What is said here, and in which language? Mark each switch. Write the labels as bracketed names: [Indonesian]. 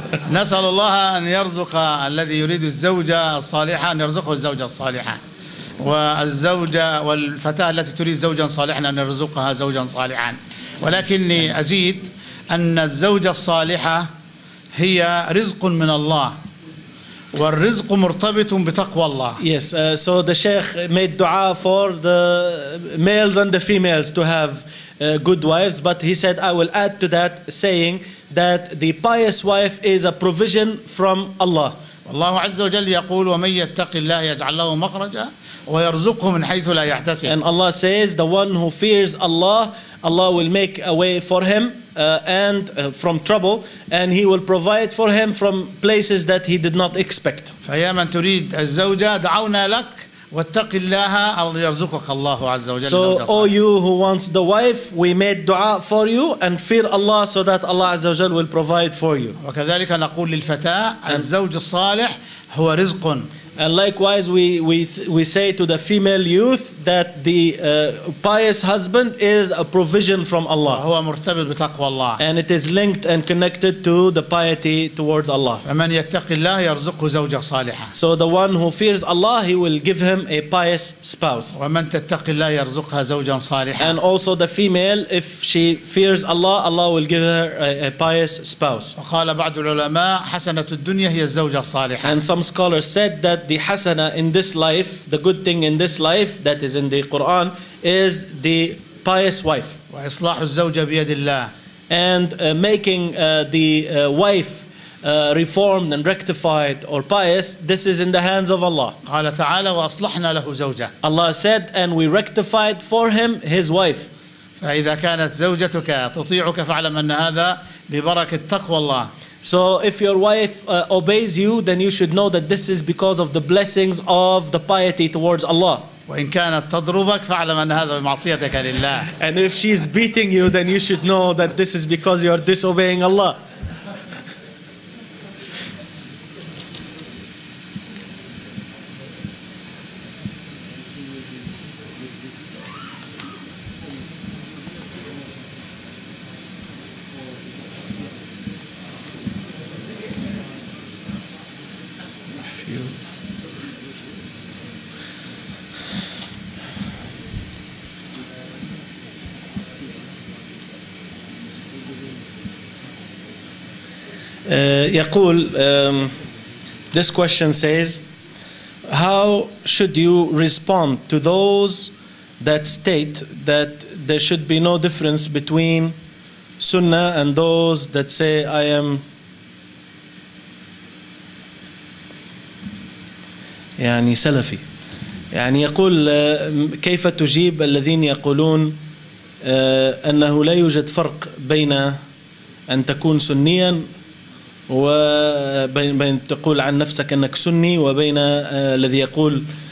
[Arabic] نسأل الله أن يرزق الذي يريد الزوجة الصالحة أن يرزقه الزوجة الصالحة والزوجة والفتاة التي تريد زوجا صالحا أن يرزقها زوجا صالحا. ولكني أزيد أن الزوجة الصالحة هي رزق من الله والرزق مرتبط بتقوى الله. [English] Yes, so the Sheikh made dua for the males and the females to have good wives, but he said I will add to that saying that the pious wife is a provision from Allah. [Arabic] والله عز وجل يقول ومن يتق الله يجعل له مخرجا ويرزقه من حيث لا يحتسب. [English] And Allah says the one who fears Allah, Allah will make a way for him from trouble, and he will provide for him from places that he did not expect. [Arabic] فيا من تريد الزوجة دعونا لك واتق الله يرزقك الله عز وجل. [English] So all you who wants the wife, we made dua for you and fear Allah so that Allah [Arabic] عز وجل [English] will provide for you. [Arabic] وكذلك نقول للفتاة الزوج الصالح هو رزق. [English] And likewise we say to the female youth that the pious husband is a provision from Allah. [Arabic] هو مرتبط بتقوى الله. [English] And it is linked and connected to the piety towards Allah. [Arabic] فمن يتقي الله يرزقه زوجة صالحة. [English] So the one who fears Allah, he will give him a pious spouse. [Arabic] ومن تتقي الله يرزقها زوجا صالحا. [English] And also the female, if she fears Allah, Allah will give her a pious spouse. [Arabic] وقال بعض العلماء حسنة الدنيا هي الزوجة الصالحة. [English] And some scholars said that the hasana in this life, the good thing in this life that is in the Quran, is the pious wife. [Arabic] وإصلاح الزوجة بيد الله. [English] And making the wife reformed and rectified or pious, this is in the hands of Allah. [Arabic] قال تعالى وأصلحنا له زوجة. [English] Allah said, and we rectified for him his wife. [Arabic] فإذا كانت زوجتك تطيعك فاعلم أن هذا ببركة تقوى الله. [English] So if your wife obeys you, then you should know that this is because of the blessings of the piety towards Allah. [Arabic] وإن كانت تضربك فاعلم أن هذا بمعصيتك لله. [English] And if she is beating you, then you should know that this is because you are disobeying Allah. يقول this question says how should you respond to those that state that there should be no difference between sunnah and those that say I am [Arabic] يعني سلفي. يعني يقول كيف تجيب الذين يقولون أنه لا يوجد فرق بين أن تكون سنيا وبين تقول عن نفسك أنك سني وبين الذي يقول